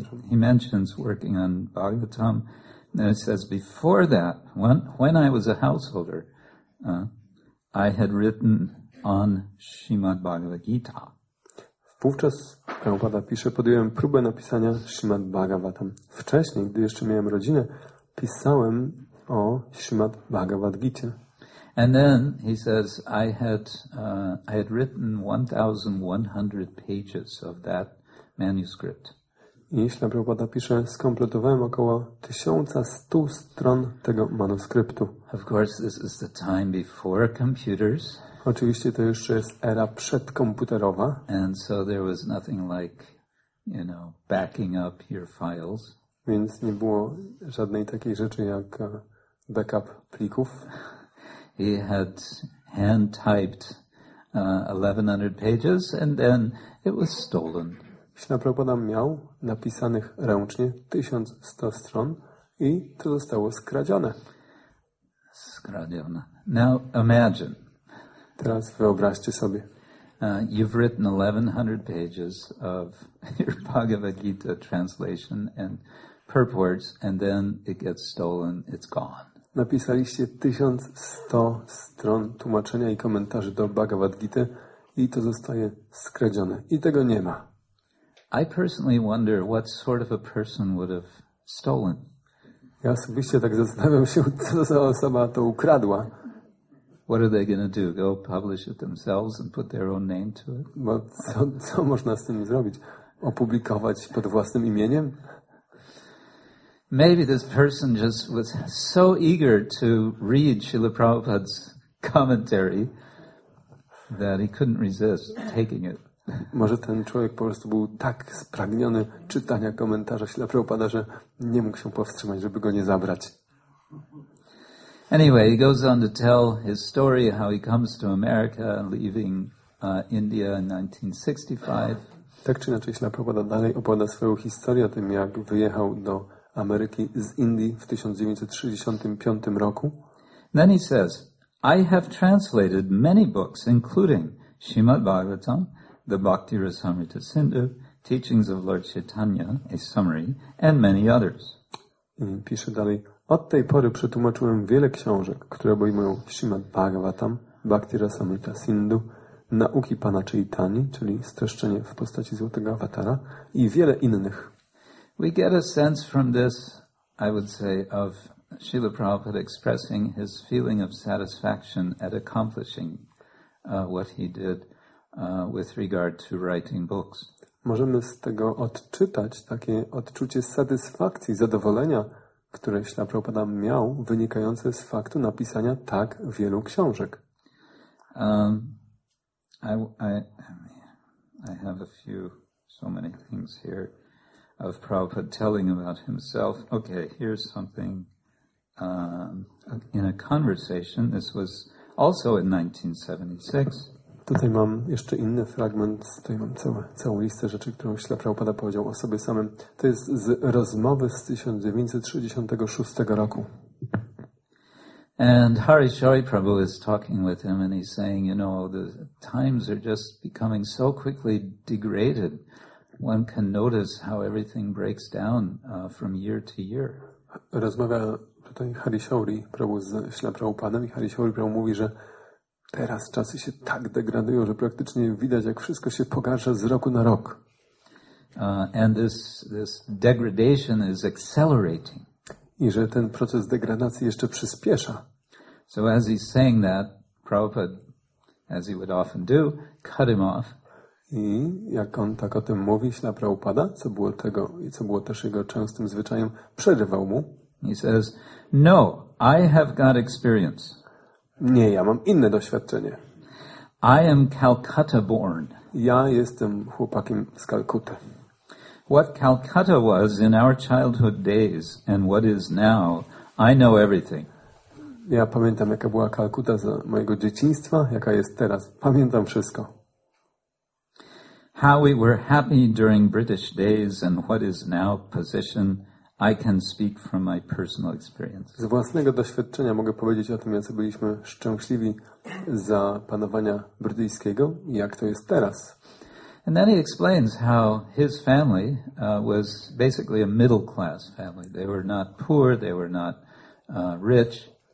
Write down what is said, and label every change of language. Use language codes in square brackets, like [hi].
[en] He mentions working on Bhagavatam, and it says, before that, when I was a householder, I had written on Srimad Bhagavad Gita. [pl] Wówczas, Prabhupada pisze, podjąłem próbę napisania Srimad Bhagavatam. Wcześniej, gdy jeszcze miałem rodzinę, pisałem o Srimad Bhagavad Gita. [en] And then, he says, I had written 1,100 pages of that manuscript. [pl] Śrīla Prabhupāda pisze, skompletowałem około 1100 stron tego manuskryptu. [en] Of course, this is the time before computers. [pl] Oczywiście to jeszcze jest era przedkomputerowa. [en] And so there was nothing like, you know, backing up your files. [pl] Więc nie było żadnej takiej rzeczy jak backup plików. [en] He had hand-typed 1100 pages and then it was stolen. [pl] Śrīla Prabhupāda miał napisanych ręcznie 1100 stron i to zostało skradzione. Skradzione. [en] Now imagine. [pl] Teraz wyobraźcie sobie. [en] You've written 1100 pages of your Bhagavad Gita translation and purports and then it gets stolen, it's gone. [pl] Napisaliście 1100 stron tłumaczenia i komentarzy do Bhagavad Gita i to zostaje skradzione. I tego nie ma. [en] I personally wonder what sort of a person would have stolen. [pl] Ja osobiście tak zastanawiam się, co za osoba to ukradła. [en] What are they going to do? Go publish it themselves and put their own name to it? [pl] Bo co można z tym zrobić? Opublikować pod własnym imieniem? [en] Maybe this person just was so eager to read Srila Prabhupada's commentary that he couldn't resist taking it. [pl] Może ten człowiek po prostu był tak spragniony czytania komentarza Śrīla Prabhupāda, że nie mógł się powstrzymać, żeby go nie zabrać. [en] Anyway, he goes on to tell his story, how he comes to America, leaving India in 1965. [pl] Tak czy inaczej, Śrīla Prabhupāda dalej opowiada swoją historię o tym, jak wyjechał do Ameryki z Indii w 1965 roku. [en] Then he says, I have translated many books, including Srimad Bhagavatam, The Bhakti Rasamrita Sindhu, Teachings of Lord Chaitanya, a summary, and many others. [pl] Pisze dalej, od tej pory przetłumaczyłem wiele książek, które obejmują Srimad Bhagavatam, Bhakti Rasamrita Sindhu, nauki Pana Chaitany, czyli streszczenie w postaci Złotego Awatara i wiele innych. [en] We get a sense from this, I would say, of Srila Prabhupada expressing his feeling of satisfaction at accomplishing what he did with regard to writing books. [pl] Możemy z tego odczytać takie odczucie satysfakcji, zadowolenia, które Śla Prabhupada miał, wynikające z faktu napisania tak wielu książek. [en] I have a few, so many things here of Prabhupada telling about himself. Okay, here's something in a conversation. This was also in 1976. [pl] Tutaj mam jeszcze inny fragment, tutaj mam całą listę rzeczy, którą Śla Prabhupada powiedział o sobie samym. To jest z rozmowy z 1966 roku. [en] And Harishori Prabhu is talking with him and he's saying, you know, the times are just becoming so quickly degraded. One can notice how everything breaks down from year to year. [pl] Rozmawia tutaj Harishori Prabhu z Śla Prabhupadem i Harishori Prabhu mówi, że teraz czasy się tak degradują, że praktycznie widać, jak wszystko się pogarsza z roku na rok. [en] And this degradation is accelerating. [pl] I że ten proces degradacji jeszcze przyspiesza. [en] So as he's saying that, Prabhupada, as he would often do, cut him off. [pl] I jak on tak o tym mówi, Śla Prabhupada, co było też jego częstym zwyczajem, przerywał mu. [en] He says, no, I have got experience. [pl] Nie, ja mam inne doświadczenie. [en] I am Calcutta born. [pl] Ja jestem chłopakiem z Kalkuty. [en] What Calcutta was in our childhood days and what is now, I know everything. [pl] Ja pamiętam, jaka była Kalkuta z mojego dzieciństwa, jaka jest teraz. Pamiętam wszystko. [en] How we were happy during British days and what is now position, I can speak from my personal experience. [pl] Z własnego doświadczenia mogę powiedzieć o tym, jak byliśmy szczęśliwi za panowania brytyjskiego i jak to jest teraz. [en] And then he explains how his family was basically a middle class family. They were not poor, they were not rich.